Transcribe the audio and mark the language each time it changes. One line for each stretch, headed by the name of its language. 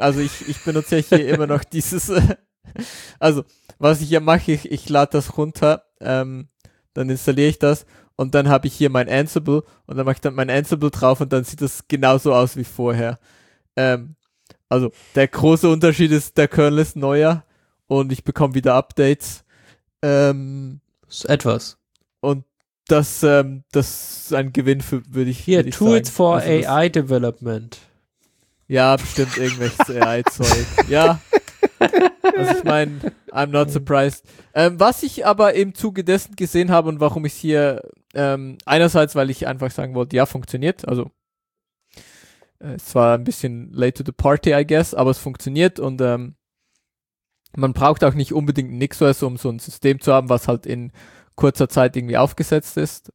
German: Also ich benutze ja hier immer noch dieses. Also was ich hier mache, ich lade das runter, dann installiere ich das und dann habe ich hier mein Ansible und dann mache ich dann mein Ansible drauf und dann sieht das genauso aus wie vorher. Also der große Unterschied ist, der Kernel ist neuer und ich bekomme wieder Updates. Etwas. Und das ist ein Gewinn für, würde ich hier sagen.
English: Tools for AI Development.
German: Ja, bestimmt irgendwelches AI-Zeug. Ja. Also ich meine,
English: I'm not surprised.
German: Was ich aber im Zuge dessen gesehen habe und warum ich es hier, einerseits, weil ich einfach sagen wollte, ja, funktioniert. Also, es war ein bisschen
English: late to the party, I guess,
German: aber es funktioniert und, man braucht auch nicht unbedingt NixOS, um so ein System zu haben, was halt in kurzer Zeit irgendwie aufgesetzt ist.